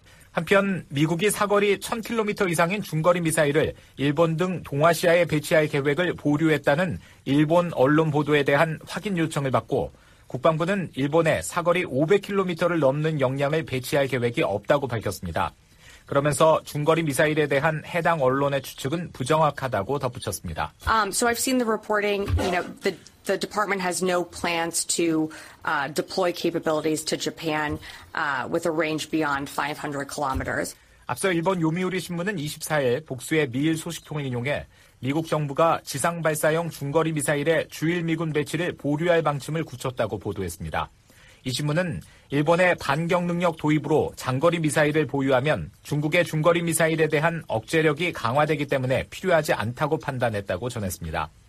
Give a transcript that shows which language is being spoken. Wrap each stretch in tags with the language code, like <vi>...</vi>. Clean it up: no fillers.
<ko>한편 미국이 사거리 1,000km 이상인 중거리 미사일을 일본 등 동아시아에 배치할 계획을 보류했다는 일본 언론 보도에 대한 확인 요청을 받고 국방부는 일본에 사거리 500km를 넘는 역량을 배치할 계획이 없다고 밝혔습니다. 그러면서 중거리 미사일에 대한 해당 언론의 추측은 부정확하다고 덧붙였습니다.</ko> <en>So I've seen the reporting, you know, the department has no plans to deploy capabilities to Japan with a range beyond 500 kilometers.</en> <ko>앞서 일본 요미우리 신문은 24일 복수의 미일 소식통을 인용해 미국 정부가 지상 발사형 중거리 미사일의 주일 미군 배치를 보류할 방침을 굳혔다고 보도했습니다. 이 신문은 일본의 반격 능력 도입으로 장거리 미사일을 보유하면 중국의 중거리 미사일에 대한 억제력이 강화되기 때문에 필요하지 않다고 판단했다고 전했습니다.</ko>